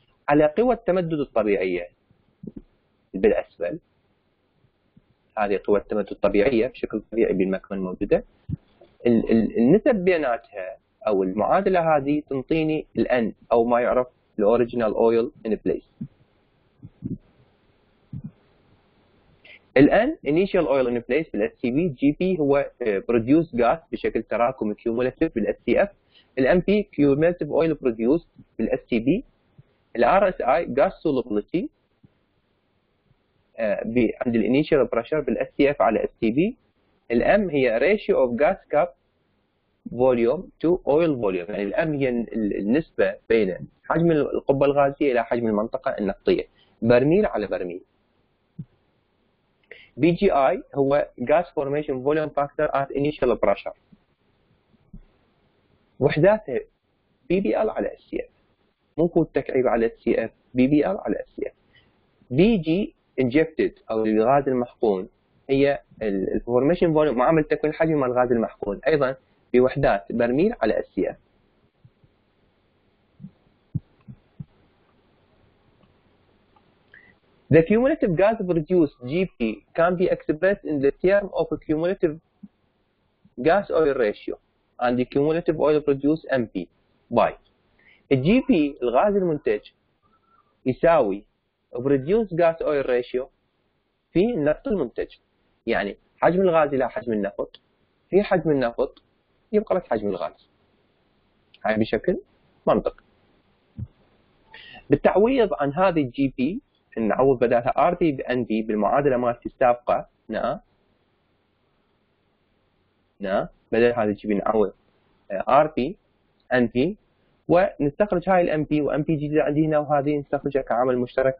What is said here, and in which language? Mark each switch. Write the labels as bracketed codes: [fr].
[ar] على قوى التمدد الطبيعية بالأسفل. هذه قوى التمدد الطبيعية بشكل طبيعي بالمكون الموجودة. النسب بيناتها أو المعادلة هذه تنطيني الـ N أو ما يعرف الـ Original Oil in Place. الآن Initial Oil in Place بالـ SCV، GP هو Produced Gas بشكل تراكمي Cumulative بالـ SCF، الـ MP Cumulative Oil Produced بالـ SCV، الـ RSI Gas Solubility عند الـ Initial Pressure بالـ SCF على الـ SCV، الـ M هي Ratio of Gas Cap Volume to Oil Volume، يعني الـ M هي النسبة بين حجم القبة الغازية إلى حجم المنطقة النفطية، برميل على برميل. BGI هو Gas Formation Volume Factor at Initial Pressure، وحداته BBL على SCF، ممكن التكعيب على SCF، BBL على SCF. BG Injected أو الغاز المحقون هي الـ Formation Volume، معامل تكوين حجم الغاز المحقون، أيضا بوحدات برميل على SCF. [en] The cumulative gas produced GP can be expressed in the term of a cumulative gas oil ratio and the cumulative oil produced MP by GP [ar] الغاز المنتج يساوي [en] produced gas oil ratio [ar] في النفط المنتج، يعني حجم الغاز إلى حجم النفط، في حجم النفط يبقى لك حجم الغاز، هاي بشكل منطقي. بالتعويض عن هذه الجي بي نعوض بدالها ار بي بان بي بالمعادله مالتي السابقه، بدل هذه الجي بي نعوض ار بي ان بي ونستخرج هاي الام بي وام بي جديده عندي هنا، وهذه نستخرجها كعامل مشترك.